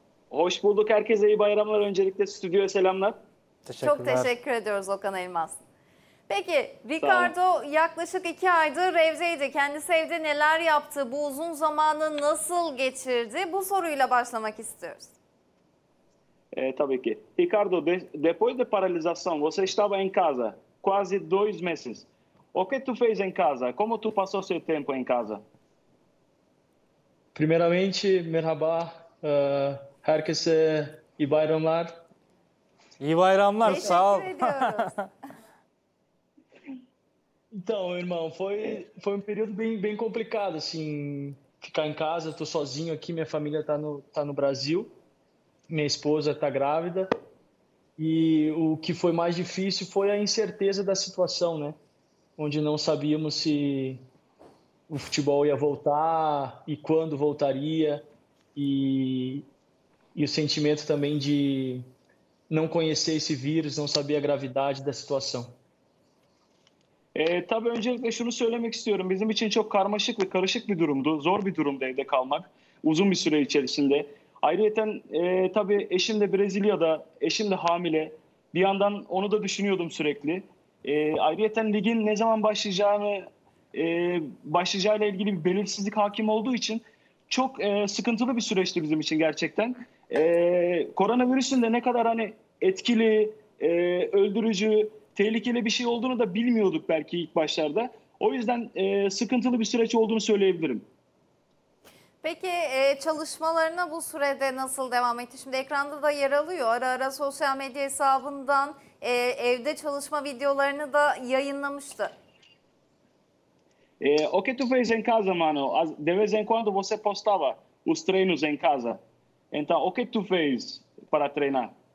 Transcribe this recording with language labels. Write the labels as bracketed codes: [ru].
[tr] Hoş bulduk herkese, iyi bayramlar öncelikle. Stüdyoya selamlar. Çok teşekkür ediyoruz Okan Elmas. Peki Ricardo yaklaşık 2 aydır evdeydi. Kendisi evde neler yaptı? Bu uzun zamanı nasıl geçirdi? Bu soruyla başlamak istiyoruz. Tabii ki. [pt] Ricardo, depois de paralisação, você estava em casa quase 2 meses. O que tu fez em casa? Como tu passou seu tempo em casa? Primeiramente, merhaba. [tr] Herkese iyi bayramlar. İyi bayramlar, sağ ol. [pt] Então, irmão, foi um período bem complicado, assim, ficar em casa, tô sozinho aqui, minha família tá no Brasil, minha esposa tá grávida, e o que foi mais difícil foi a incerteza da situação, né, onde não sabíamos se o futebol ia voltar e quando voltaria, e o sentimento também de não conhecer esse vírus, não saber a gravidade da situação. [tr] Tabii öncelikle şunu söylemek istiyorum. Bizim için çok karmaşık ve karışık bir durumdu. Zor bir durumda evde kalmak uzun bir süre içerisinde. Ayrıca tabii eşim de Brezilya'da, eşim de hamile. Bir yandan onu da düşünüyordum sürekli. Ayrıca ligin ne zaman başlayacağıyla ilgili bir belirsizlik hakim olduğu için çok sıkıntılı bir süreçti bizim için gerçekten. Koronavirüsün de ne kadar hani etkili, öldürücü, tehlikeli bir şey olduğunu da bilmiyorduk belki ilk başlarda. O yüzden sıkıntılı bir süreç olduğunu söyleyebilirim. Peki çalışmalarına bu sürede nasıl devam etti? Şimdi ekranda da yer alıyor. Ara ara sosyal medya hesabından evde çalışma videolarını da yayınlamıştı. [pt] O que tu fez em casa, mano? De vez em quando você postava os treinos em casa. Então, o que tu fez para treinar?